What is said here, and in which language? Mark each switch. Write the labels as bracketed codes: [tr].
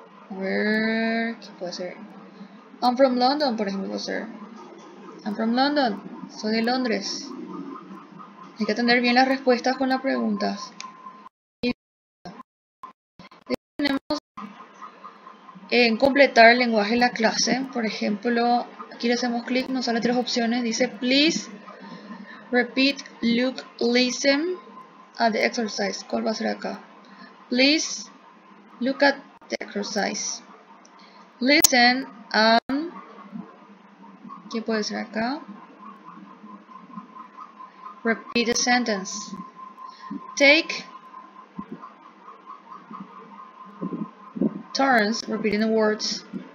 [es] A ver, ¿qué puede ser? [en] I'm from London, [es] por ejemplo, puede ser. I'm from London. Soy de Londres. Hay que atender bien las respuestas con las preguntas. Y tenemos en completar el lenguaje en la clase. Por ejemplo, aquí le hacemos clic, nos sale tres opciones. Dice, [en] please repeat, look, listen at the exercise. [es] ¿Cuál va a ser acá? [en] Please look at the exercise. Listen, [es] ¿qué puede ser acá? [en] Repeat the sentence. Take turns repeating the words.